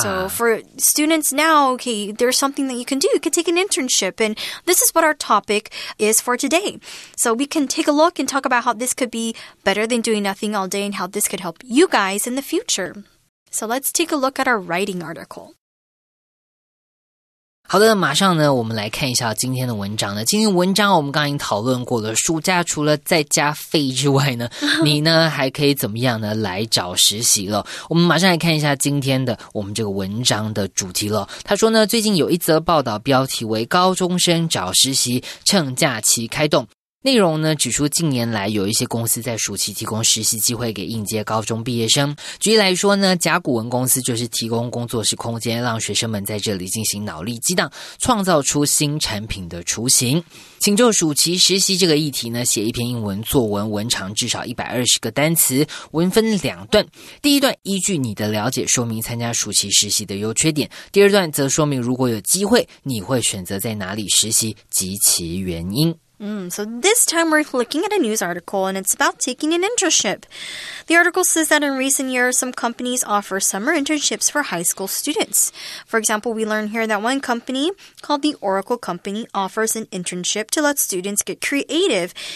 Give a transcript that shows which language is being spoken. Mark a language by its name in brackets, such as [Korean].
[English] So for students now, okay, there's something that you can do. You can take an internship. And this is what our topic is for today. So we can take a look and talk about how this could be better than doing nothing all day and how this could help you guys in the future. So let's take a look at our writing article. [Chinese] 好的，马上呢，我们来看一下今天的文章呢。今天文章我们刚刚已经讨论过了，暑假除了在家废之外呢，你呢还可以怎么样呢来找实习了。我们马上来看一下今天的我们这个文章的主题了。他说呢，最近有一则报道标题为高中生找实习趁假期开动。内容呢指出近年来有一些公司在暑期提供实习机会给应届高中毕业生。举例来说呢，甲骨文公司就是提供工作室空间，让学生们在这里进行脑力激荡，创造出新产品的雏形。请就暑期实习这个议题呢写一篇英文作文，文长至少120个单词，文分两段。第一段依据你的了解说明参加暑期实习的优缺点，第二段则说明如果有机会你会选择在哪里实习及其原因。 [English] So this time we're looking at a news article, and it's about taking an internship. The article says that in recent years, some companies offer summer internships for high school students. For example, we learn here that one company called the Oracle Company offers an internship to let students get creative.